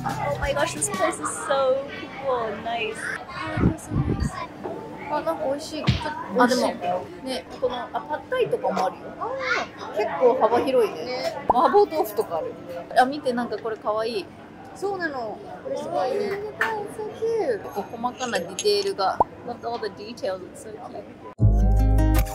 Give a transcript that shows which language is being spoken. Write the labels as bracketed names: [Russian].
[English] Oh my gosh, this place is so cool and nice. Oh, it feels so nice. [Japanese] あ、なんか美味しい。ちょっと、あ、でも、ね、この、あ、パッタイとかもあるよ。あ、結構幅広いね。ね。麻婆豆腐とかある。あ、見て、なんかこれかわいい。そうなの。これすごいね。すごい、そう、キュー。細かなディテールが。 [English] Look at all the details, it's so cute.